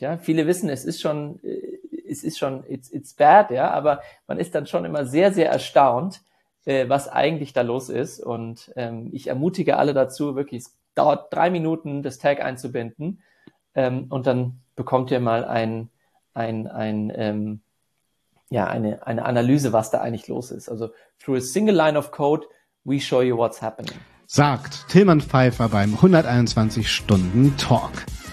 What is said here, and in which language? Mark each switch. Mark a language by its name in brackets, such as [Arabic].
[German] Ja, viele wissen, es ist schon [English] it's bad, [German] ja, aber man ist dann schon immer sehr, sehr erstaunt, was eigentlich da los ist. Und ich ermutige alle dazu, wirklich, es dauert 3 Minuten, das Tag einzubinden, und dann bekommt ihr mal eine Analyse, was da eigentlich los ist. [English] Also through a single line of code, we show you what's happening. [German] Sagt Tilman Pfeiffer beim 121 Stunden Talk.